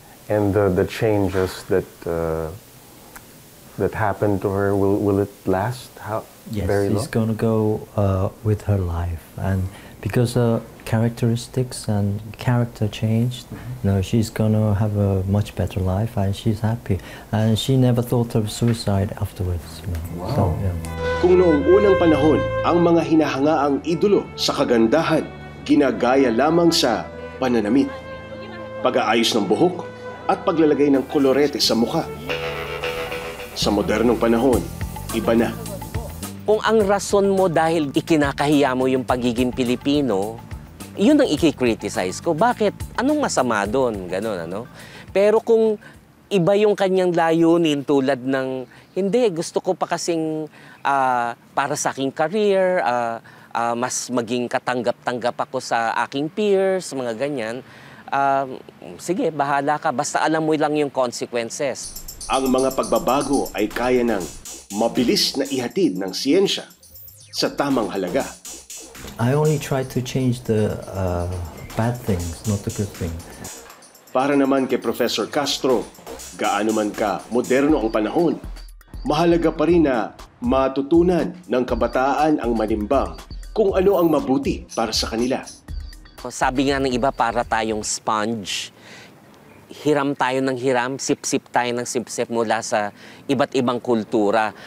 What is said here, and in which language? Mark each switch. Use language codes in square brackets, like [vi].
[en] And the changes that that happened to her, will it last? How? Yes, very long? It's going to go with her life. And because her characteristics and character changed, mm-hmm. you know, she's going to have a much better life and she's happy. And she never thought of suicide afterwards. You know. Wow. So, yeah. [tl] Kung noong unang panahon, ang mga hinahangaang idolo sa kagandahan ginagaya lamang sa pananamit, pag-aayos ng buhok at paglalagay ng kolorete sa mukha. Sa modernong panahon, iba na. Kung ang rason mo dahil ikinakahiya mo yung pagiging Pilipino, yun ang i-criticize ko. Bakit? Anong masama doon? Ganun, ano? Pero kung iba yung kanyang layunin tulad ng, hindi, gusto ko pa kasing para sa aking career, mas maging katanggap-tanggap ako sa aking peers, mga ganyan. Sige, bahala ka. Basta alam mo lang yung consequences. Ang mga pagbabago ay kaya ng mabilis na ihatid ng siyensya sa tamang halaga. [en] I only try to change the bad things, not the good things. [tl] Para naman kay Professor Castro, gaano man ka moderno ang panahon, mahalaga pa rin na matutunan ng kabataan ang manimbang kung ano ang mabuti para sa kanila. Sabi nga ng iba, para tayong sponge. Hiram tayo ng hiram, sip-sip tayo ng sip-sip mula sa iba't ibang kultura.